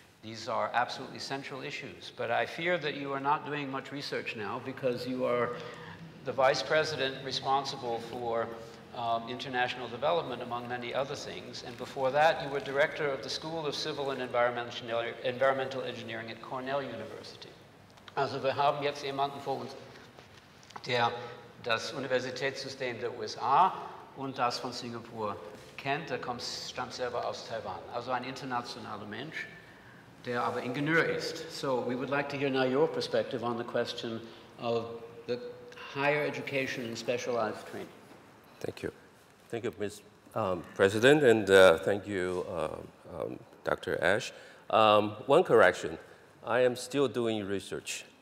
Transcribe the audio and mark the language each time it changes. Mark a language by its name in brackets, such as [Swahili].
[English] These are absolutely central issues, but I fear that you are not doing much research now because you are the vice president responsible for international development, among many other things. And before that, you were director of the School of Civil and Environmental Engineering at Cornell University. [German] Also wir haben jetzt jemanden vor uns, der das Universitätssystem der USA und das von Singapur kennt. Er stammt selber aus Taiwan, also ein internationaler Mensch, der aber Ingenieur ist. [English] So, we would like to hear now your perspective on the question of the higher education and specialized training. Thank you. Thank you, Ms. President, and thank you, Dr. Ash. One correction. I am still doing research.